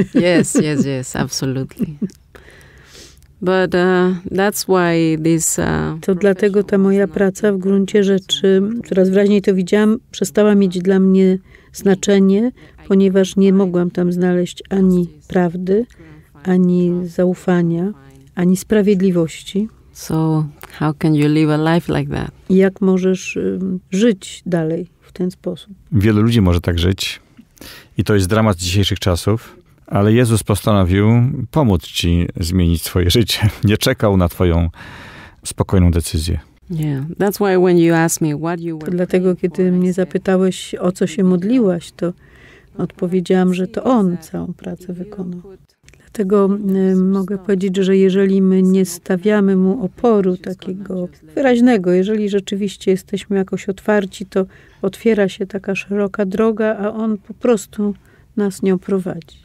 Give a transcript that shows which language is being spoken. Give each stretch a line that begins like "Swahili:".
English: Yes, absolutely. But that's why this.
Polish: To dlatego ta moja praca w gruncie rzeczy, coraz wyraźniej to widziałam, przestała mieć dla mnie znaczenie, ponieważ nie mogłam tam znaleźć ani prawdy, ani zaufania, ani sprawiedliwości.
English: So how can you live a life like that?
Polish: Jak możesz żyć dalej w ten sposób? Wielu ludzi może tak żyć i to jest dramat dzisiejszych czasów. Ale Jezus postanowił pomóc ci zmienić swoje życie. Nie czekał na twoją spokojną decyzję.
English: Yeah, that's why when you asked me what you were.
Polish: To dlatego, kiedy mnie zapytałeś, o co się modliłaś, to odpowiedziałam, że to On całą pracę wykonał. Dlatego mogę powiedzieć, że jeżeli my nie stawiamy Mu oporu takiego wyraźnego, jeżeli rzeczywiście jesteśmy jakoś otwarci, to otwiera się taka szeroka droga, a On po prostu nas nią prowadzi.